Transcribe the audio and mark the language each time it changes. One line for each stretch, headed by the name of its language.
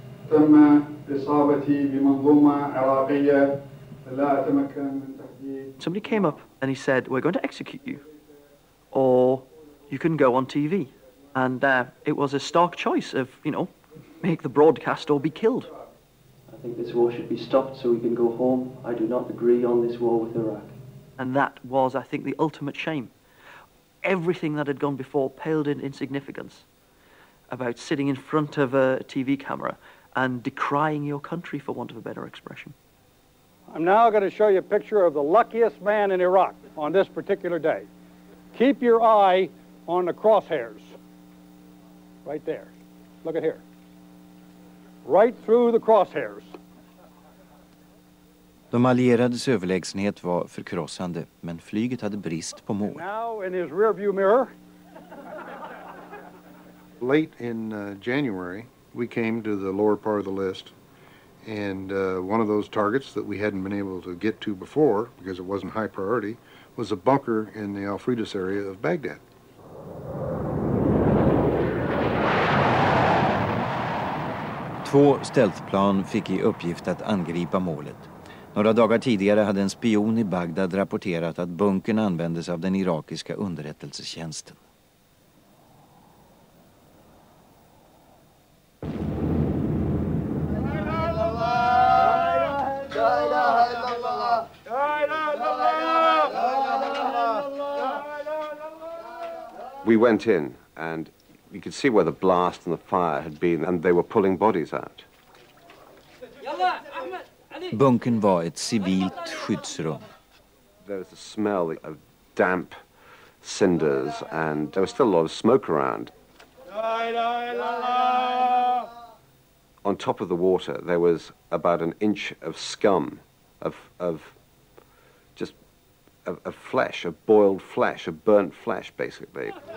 Arabic: تم إصابتي بمنظومة عراقية لا أتمكن من تحديد.
English: Somebody came up and he said, "We're going to execute you, or you can go on TV," and it was a stark choice of, you know, make the broadcast or be killed. I think this war should be stopped so we can go home. I do not agree on this war with Iraq. And that was, I think, the ultimate shame. Everything that had gone before paled in insignificance about sitting in front of a TV camera and decrying your country, for want of a better expression. I'm now going to show you a picture of the luckiest man in Iraq on this particular day. Keep your eye on the crosshairs. Right there. Look at here. Right through the crosshairs.
Swedish: De allierades överlägsenhet var förkrossande, men flyget hade brist på mål.
English: Now in his rearview mirror. Late in January, we came to the lower part of the list, and one of those targets that we hadn't been able to get to before, because it wasn't high priority, was a bunker in the Al-Fridus area of Baghdad.
Swedish: Två stealthplan fick i uppgift att angripa målet. Några dagar tidigare hade en spion i Bagdad rapporterat att bunkern användes av den irakiska underrättelsetjänsten.
English: We went in and you could see where the blast and the fire had been, and they were pulling bodies out.
Swedish: Bunkern var ett civilt skyddsrum.
English: There was a smell of damp cinders and there was still a lot of smoke around. On top of the water there was about an inch of scum, of flesh, of boiled flesh, of burnt flesh, basically.